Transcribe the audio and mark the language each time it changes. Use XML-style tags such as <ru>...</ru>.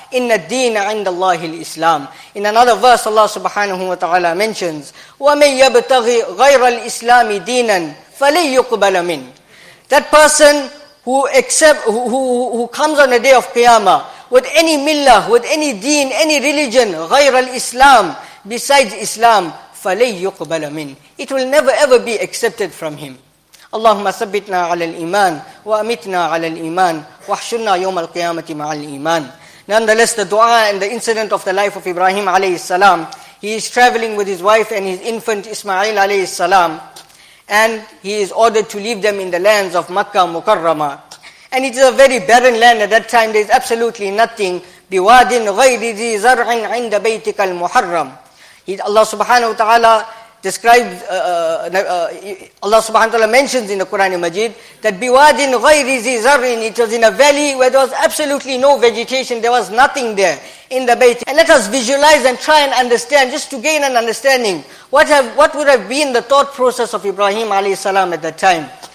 <ar>Inna deena inda Allahi al-Islam.</ar> <en>In another verse, Allah subhanahu wa ta'ala mentions,</en> <ar>وَمَنْ يَبْتَغِي غَيْرَ الْإِسْلَامِ دِينًا فَلَيْ يُقْبَلَ مِنْ.</ar> <en>That person who comes on the day of Qiyamah with any millah, with any deen, any religion,</en> <ar>غَيْرَ الْإِسْلَام,</ar> <en>besides Islam,</en> <ar>فَلَيْ يُقْبَلَ مِنْ.</ar> <en>It will never ever be accepted from him.</en> <ar>اللهم ثبتنا على الإيمان وأمتنا على الإيمان وحشرنا يوم القيامة مع الإيمان.</ar> <en>Nonetheless, the dua and the incident of the life of Ibrahim alayhi salam, he is traveling with his wife and his infant Ismail alayhi salam, and he is ordered to leave them in the lands of Makkah Mukarrama. And it is a very barren land at that time. There is absolutely nothing.</en> <ar>بِوَادٍ غَيْرِ ذِي زَرْعٍ عِنْدَ بَيْتِكَ الْمُحَرَّمِ. Allah subhanahu wa ta'ala</ar> <en>describes, Allah subhanahu wa ta'ala mentions in the Quran and Majid, that</en> <ar>biwadin ghayri zi zarin,</ar> <en>it was in a valley where there was absolutely no vegetation, there was nothing there in the bait. And let us visualize and try and understand, just to gain an understanding, what would have been the thought process of Ibrahim alayhi salam at that time.</en>